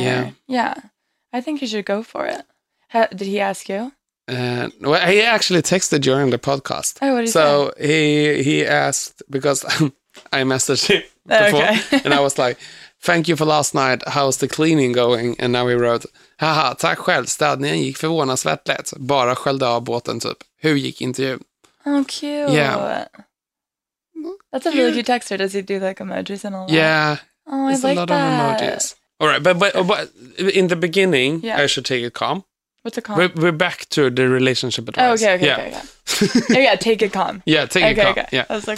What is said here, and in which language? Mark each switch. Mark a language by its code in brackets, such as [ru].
[en] Yeah. Yeah. I think you should go for it. Did he ask you? Well, he actually texted during the podcast. Oh, what did he say? So he asked, because I messaged him before, and I was like, thank you for last night. How's the cleaning going? And now he wrote, haha, [sv] tack själv. Städningen gick förvånansvärt lätt. Bara sköljde av båten, typ. Hur gick intervjun? [en] Oh, cute. Yeah. That's a really cute texture. Does he do like emojis and all that? Yeah. Oh, it's like that. It's a lot of emojis. All right. But in the beginning, I should take it calm. What's a calm? We're back to the relationship advice. Oh, okay. Yeah, take it calm. Yeah, take it calm. Okay. Yeah. Like,